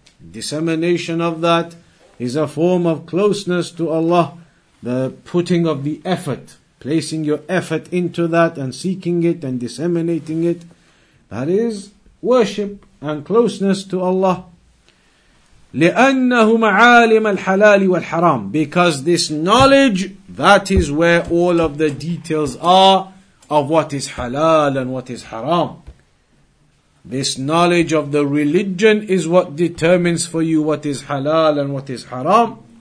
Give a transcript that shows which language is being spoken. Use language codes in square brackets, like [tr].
[en] Dissemination of that is a form of closeness to Allah. The putting of the effort, placing your effort into that and seeking it and disseminating it, that is worship and closeness to Allah. [ar] لأنه معالم الحلال والحرام. [en] Because this knowledge, that is where all of the details are of what is halal and what is haram. This knowledge of the religion is what determines for you what is halal and what is haram.